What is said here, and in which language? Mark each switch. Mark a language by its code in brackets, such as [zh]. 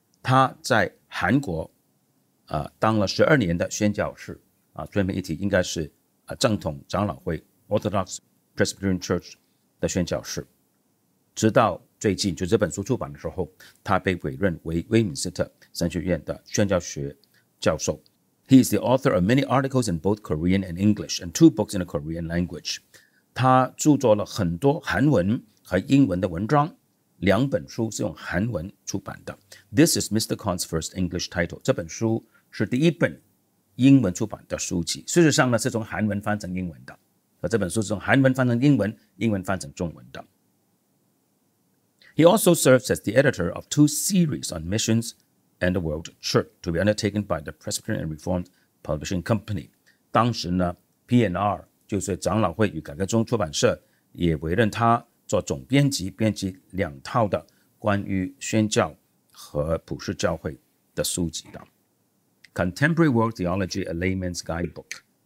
[zh] 他在韩国当了12年的宣教士宣明一体应该是正统长老会 Orthodox Presbyterian Church 的宣教士。直到最近就这本书出版的时候，他被委任为威敏斯特神学院的宣教学教授。 [en] He is the author of many articles in both Korean and English and two books in the Korean language. [zh] 他著作了很多韩文和英文的文章，两本书是用韩文出版的。 [en] This is Mr. Kahn's first English title. [zh] 这本书是第一本英文出版的书籍，事实上呢是从韩文翻成英文的，而这本书是从韩文翻成英文，英文翻成中文的。 [en] He also serves as the editor of two series on missionsand the World Church to be undertaken by the Presbyterian and Reformed Publishing Company. [zh] 当时呢 PNR 就是长老会与改革中出版社也委任他做总编辑，编辑两套的关于宣教和普世教会的书籍的。 [en] Contemporary World Theology, A Layman's Guidebook.